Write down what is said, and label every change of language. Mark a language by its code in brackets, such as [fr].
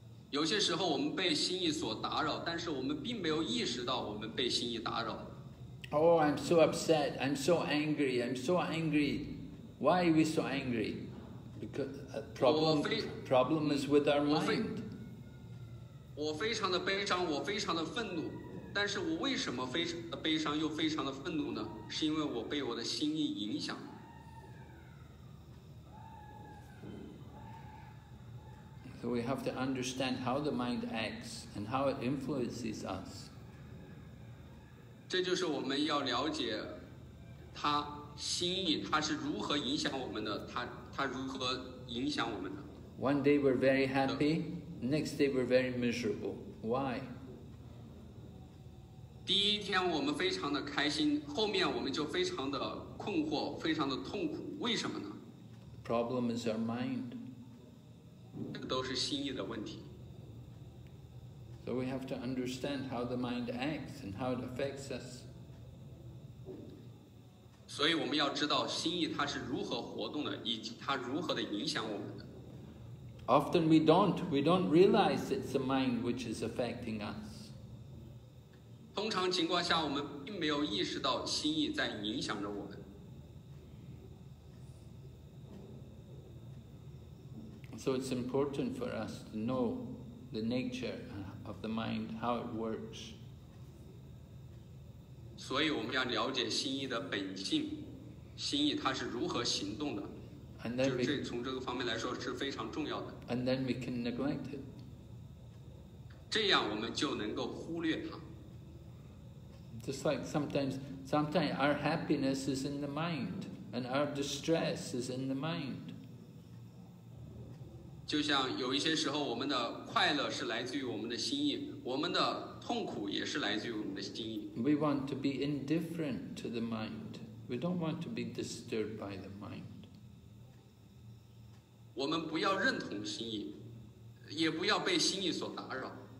[zh] 有些时候我们被心意所打扰，但是我们并没有意识到我们被心意打扰。 [en] Oh, I'm so upset, I'm so angry, I'm so angry. Why are we so angry? Because problem is with our mind. [zh] 我非常的悲伤，我非常的愤怒，但是我为什么非常的悲伤又非常的愤怒呢？是因为我被我的心意影响。 [en] So we have to understand how the mind acts and how it influences us. [zh] 这就是我们要了解他心意，他是如何影响我们的，他如何影响我们的。 [en] One day we're very happy, next day we're very miserable. Why? [zh] 第一天我们非常的开心，后面我们就非常的困惑，非常的痛苦，为什么呢？ [en] Problem is our mind. [zh] 这个都是心意的问题。 [en] So we have to understand how the mind acts and how it affects us. [zh] 所以我们要知道心意它是如何活动的，以及它如何的影响我们的。 [en] Often we don't realize it's the mind which is affecting us. [zh] 通常情况下我们并没有意识到心意在影响着我们。 [en] So it's important for us to know the nature of the mind, how it works. [zh] 所以我们要了解心意的本性，心意它是如何行动的，就从这个方面来说是非常重要的。 [en] And then we can neglect it. [zh] 这样我们就能够忽略它。 [en] Just like sometimes our happiness is in the mind, and our distress is in the mind. [zh] 就像有一些时候我们的快乐是来自于我们的心意，我们的痛苦也是来自于我们的心意。 [en] We want to be indifferent to the mind. We don't want to be disturbed by the mind. [zh] 我们不要认同心意，也不要被心意所打扰。